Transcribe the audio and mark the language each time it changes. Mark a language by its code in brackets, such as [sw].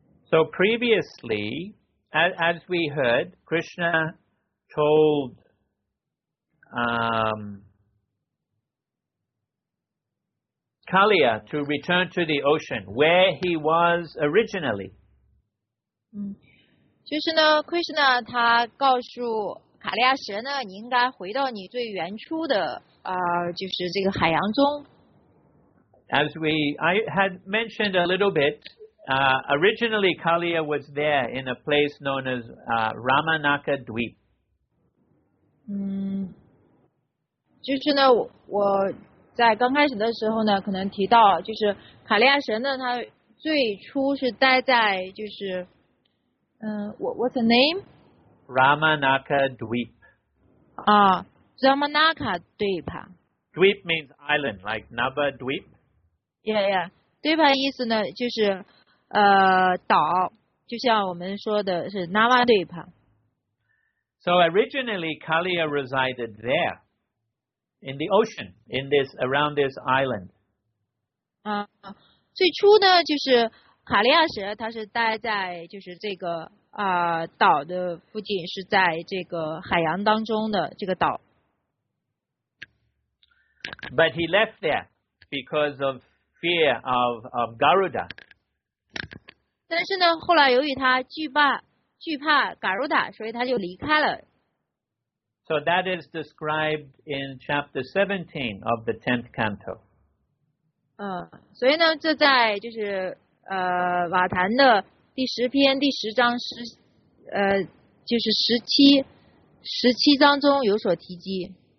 [en] So previously, as we heard, Krishna told Kaliya to return to the ocean where he was originally. [zh] 就是呢 ，Krishna 他告诉卡利亚蛇呢，你应该回到你最原初的就是这个海洋中。 [en] As we I had mentioned a little bit, originally Kaliya was there in a place known as Ramanaka Dweep. [zh] 就是呢，我在刚开始的时候呢，可能提到就是卡利亚蛇呢，他最初是待在就是。 [en] What's the name? Ramanaka Dweep. Ramanaka Dweep. Dweep means island, like Nava Dweep. Yeah, yeah. [zh] Dweep 的意思呢，就是岛，就像我们说的是 Nava Dweep. [en] So originally, Kaliya resided there, in the ocean, in this around this island. [zh] 最初呢，就是卡利亚什它是待在就是这个岛的附近，是在这个海洋当中的这个岛。 [en] But he left there because of fear of Garuda. [zh] 但是呢，后来由于他惧怕 Garuda， 所以他就离开了。 [en] So that is described in chapter 17 of the 10th canto. [zh] 所以呢，这在就是瓦坛的第十篇第十章就是十七章中有所提及。